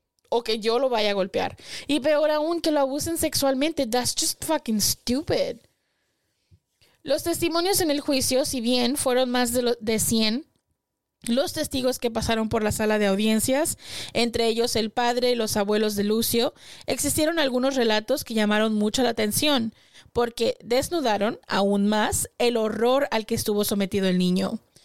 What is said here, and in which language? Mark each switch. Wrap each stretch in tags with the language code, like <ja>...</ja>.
<es>O que yo lo vaya a golpear. Y peor aún, que lo abusen sexualmente.</es> <en>That's just fucking stupid.</en> <es>Los testimonios en el juicio, si bien fueron más de 100, los testigos que pasaron por la sala de audiencias, entre ellos el padre y los abuelos de Lucio, existieron algunos relatos que llamaron mucho la atención, porque desnudaron aún más el horror al que estuvo sometido el niño.</es>